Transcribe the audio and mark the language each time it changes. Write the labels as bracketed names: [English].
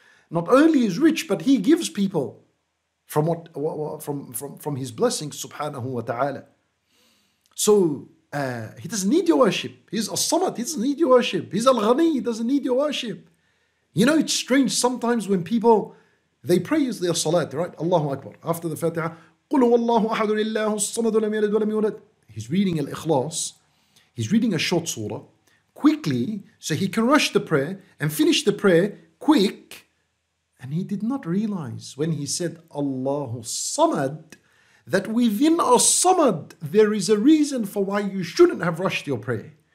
[English] Not only is rich, but He gives people from what from His blessings, subhanahu wa ta'ala. So He doesn't need your worship. He's As-Samad, He doesn't need your worship. He's Al-Ghani, He doesn't need your worship. You know, it's strange sometimes when people, they praise their salat, right? Allahu Akbar. After the Fatiha, [Arabic] قُلْ هُوَ اللَّهُ أَحَدُ لِلَّهُ الصَّمَدُ لَمْ يَلِدْ وَلَمْ يُولَدْ. [English] He's reading Al-Ikhlas. He's reading a short surah quickly so he can rush the prayer and finish the prayer quick. And he did not realize when he said Allahu Samad that within As-Samad there is a reason for why you shouldn't have rushed your prayer.